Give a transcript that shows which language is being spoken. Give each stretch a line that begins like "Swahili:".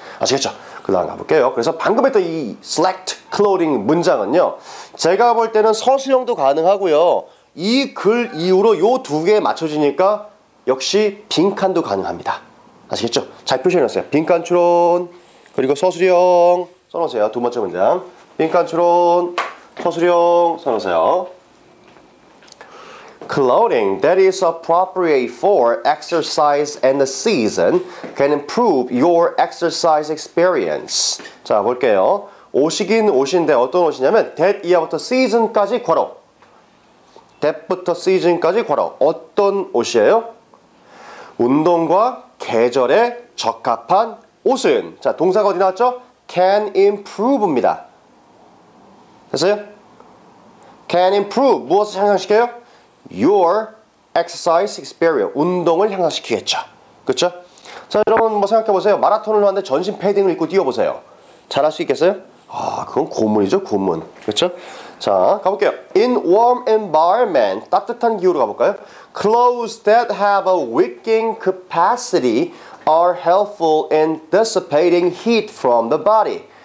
Korean: 아시겠죠? 그 다음 가볼게요. 그래서 방금 했던 이 select clothing 문장은요, 제가 볼 때는 서술형도 가능하고요, 이 글 이후로 요 두 개에 맞춰지니까 역시 빈칸도 가능합니다. 아시겠죠? 잘 표시해놨어요. 빈칸추론 그리고 서술형 써놓으세요. 두 번째 문장 빈칸추론 서술형 써놓으세요.
English: Clothing that is appropriate for exercise and the season can improve your exercise experience.
Korean: 자, 볼게요. 옷이긴 옷인데 어떤 옷이냐면 that 이하부터 season까지 괄호. that부터 season까지 괄호. 어떤 옷이에요? 운동과 계절에 적합한 옷은. 자, 동사가 어디 나왔죠? can improve입니다. 됐어요?
English: can improve
Korean: 무엇을 향상시켜요?
English: Your exercise experience.
Korean: 운동을 향상시키겠죠. 그쵸? 자, 여러분, 뭐 생각해보세요. 마라톤을 하는데 전신 패딩을 입고 뛰어보세요. 잘할 수 있겠어요? 아, 그건 고문이죠, 고문. 그쵸? 자, 가볼게요.
English: In warm environment.
Korean: 따뜻한 기후로 가볼까요?
English: Clothes that have a wicking capacity are helpful in dissipating heat from the body.